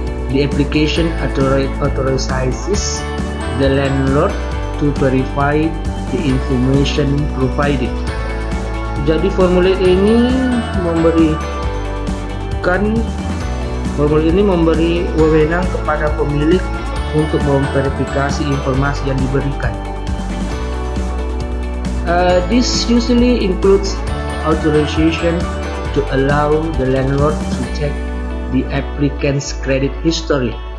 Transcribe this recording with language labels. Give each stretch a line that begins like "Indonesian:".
English: The application authorizes the landlord to verify the information provided.
Indonesian: Jadi formulir ini memberi wewenang kepada pemilik untuk memverifikasi informasi yang diberikan.
English: This usually includes authorization to allow the landlord to check the applicant's credit history.